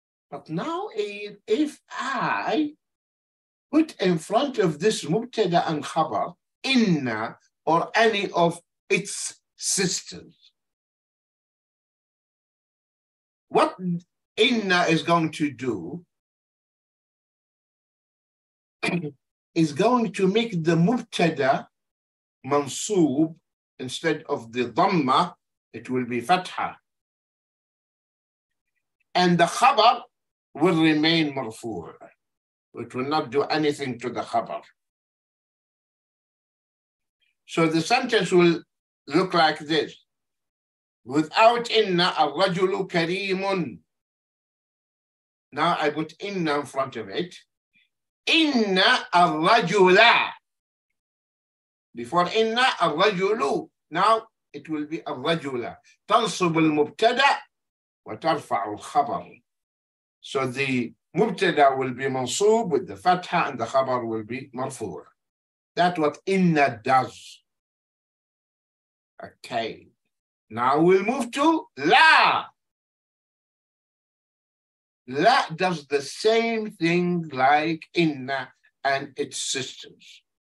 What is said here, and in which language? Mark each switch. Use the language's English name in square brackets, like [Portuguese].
[English] But now if I put in front of this مبتدأ and خبر إن or any of its sisters, what إن is going to do is going to make the مبتدأ منصوب instead of the ضمّة, it will be فتحة. And the خبر will remain مرفوع. It will not do anything to the خبر. So the sentence will look like this. Without [Arabic] إن الرجل كريم. [English] Now I put إن in front of it. [Arabic] إن الرجل. [English] Before [Arabic] إن الرجل. [English] Now it will be الرجل. [Arabic] تنصب المبتدا وترفع الخبر. [English] So the مبتدا will be منصوب with the فتحة and the خبر will be مرفوع. That's what إن does. Okay. Now we'll move to لا. لا does the same thing like إن and its sisters.